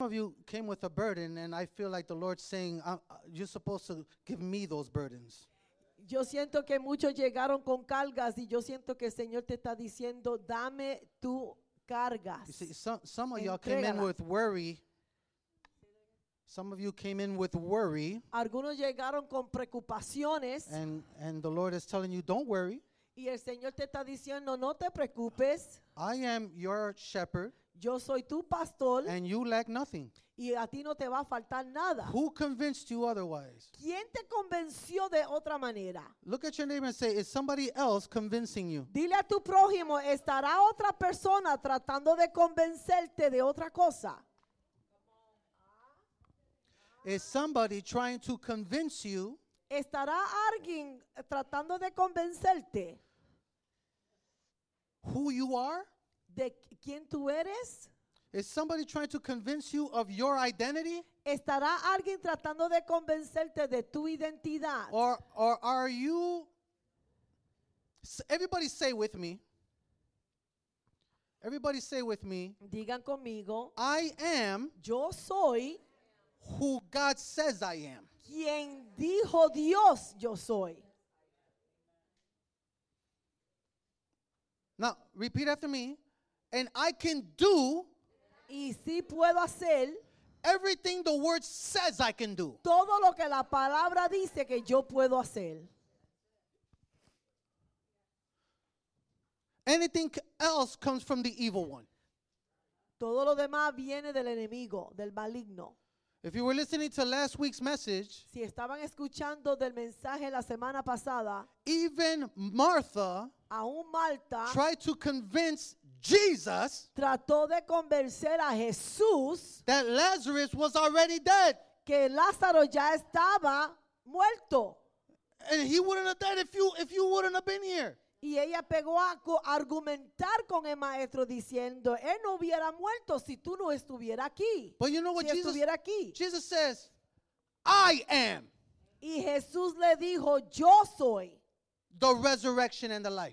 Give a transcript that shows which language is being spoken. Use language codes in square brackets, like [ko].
[en] of you came with a burden, and I feel like the Lord's saying, you're supposed to give me those burdens. [es] Yo siento que muchos llegaron con cargas, y yo siento que el Señor te está diciendo, dame tu cargas. [en] You see, some of y'all came in with worry. Some of you came in with worry. [es] Algunos llegaron con preocupaciones. [en] And the Lord is telling you, don't worry. [es] Y el Señor te está diciendo, no te preocupes. [en] I am your shepherd. [es] Yo soy tu pastor. [en] And you lack nothing. [es] Y a ti no te va a faltar nada. [en] Who convinced you otherwise? [es] ¿Quién te convenció de otra manera? [en] Look at your neighbor and say, is somebody else convincing you? [es] Dile a tu prójimo, ¿estará otra persona tratando de convencerte de otra cosa? [en] Is somebody trying to convince you? [es] ¿Estará alguien tratando de convencerte? [en] Who you are? [es] ¿De quién tú eres? [en] Is somebody trying to convince you of your identity? [es] ¿Estará alguien tratando de convencerte de tu identidad? [en] Or are you... Everybody say with me. Everybody say with me. [es] Digan conmigo. [en] I am... [es] Yo soy... [en] Who God says I am. [es] Quien dijo Dios yo soy. [en] Now, repeat after me. And I can do... [es] Y si puedo hacer [en] everything the word says I can do. [es] Todo lo que la palabra dice que yo puedo hacer. [en] Anything else comes from the evil one. [es] Todo lo demás viene del enemigo, del maligno. [en] If you were listening to last week's message, [es] si estaban escuchando del mensaje la semana pasada, [en] even Martha, [es] aún Marta, [en] tried to convince Jesus, [es] trató de convencer a Jesús, [en] that Lazarus was already dead, [es] que Lázaro ya estaba muerto, [en] and he wouldn't have died if you wouldn't have been here. [es] Y ella pegó a argumentar con el maestro diciendo, él no hubiera muerto si tú no estuvieras aquí. [en] But you know what [es] si [en] Jesus, [es] estuviera aquí. [en] Jesus says, I am. [es] Y Jesús le dijo, yo soy. [en] The resurrection and the life.